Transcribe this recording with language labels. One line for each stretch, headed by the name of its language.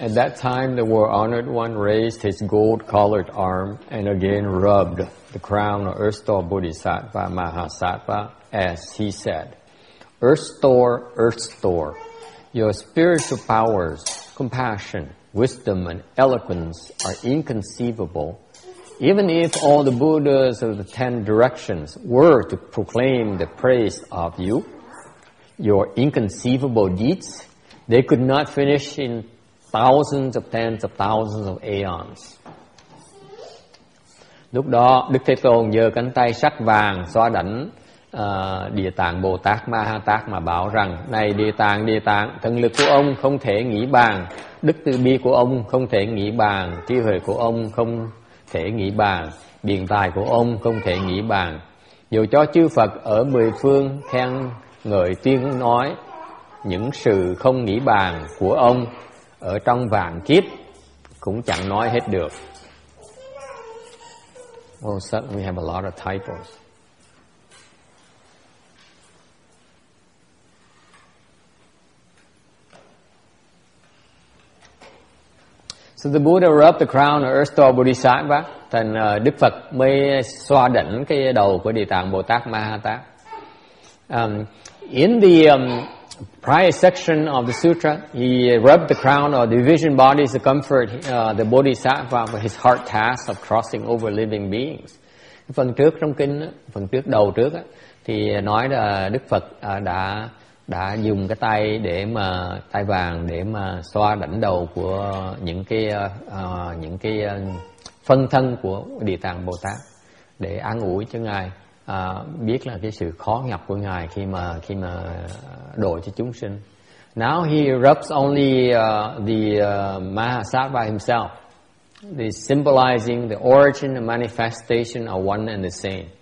English: At that time, the World Honored One raised his gold-colored arm and again rubbed the crown of Erstor Bodhisattva Mahasattva as he said, Erstor, Erstor, your spiritual powers, compassion, wisdom, and eloquence are inconceivable. Even if all the Buddhas of the Ten Directions were to proclaim the praise of you, your inconceivable deeds, they could not finish in thousands of tens of thousands of aeons.
Vietnamese: Lúc đó, Đức Thế Tôn giơ cánh tay sắc vàng xóa đảnh Địa Tạng Bồ Tát Ma Ha Tát mà bảo rằng: Này Địa Tạng, thần lực của ông không thể nghĩ bàn, đức từ bi của ông không thể nghĩ bàn, trí huệ của ông không thể nghĩ bàn, biện tài của ông không thể nghĩ bàn. Dù cho chư Phật ở mười phương khen ngợi tuyên nói những sự không nghĩ bàn của ông ở trong vạn kiếp cũng chẳng nói hết được.
English: Well, certainly we have a lot of typos. So the Buddha rubbed the crown of Erstor Bodhisattva.
Vietnamese: Thành Đức Phật mới xoa đỉnh cái đầu của Địa Tạng Bồ Tát Ma Ha Tát.
English: In the prior section of the sutra, he rubbed the crown of the vision bodies to comfort the Bodhisattva for his hard task of crossing over living beings.
Vietnamese: Phần trước trong kinh, phần trước đầu trước á, thì nói là Đức Phật đã dùng cái tay để mà tay vàng để mà xoa đỉnh đầu của những cái phân thân của Địa Tạng Bồ Tát để an ủi cho ngài biết là cái sự khó nhọc của ngài khi mà độ cho chúng sinh.
English: Now he rubs only the Mahasattva himself, the symbolizing the origin and manifestation of one and the same.